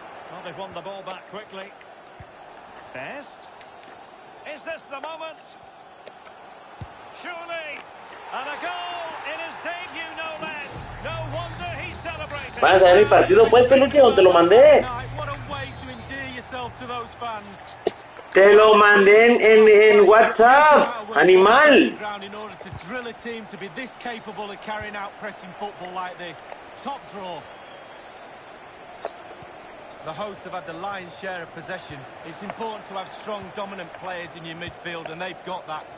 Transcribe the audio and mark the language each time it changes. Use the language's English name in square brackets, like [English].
[English] Well, they've won the ball back quickly. Best. Is this the moment? Surely. And a goal in his debut, no less. No wonder he's celebrating. [Spanish] Vale, mi partido, pues, peluche, ¿o te lo mandé? [English] What a way to endear yourself to those fans. [Spanish] Te lo mandé en WhatsApp, animal. [English] In order to drill a team to be this capable of carrying out pressing football like this. Top draw. The hosts have had the lion's share of possession. It's important to have strong, dominant players in your midfield, and they've got that.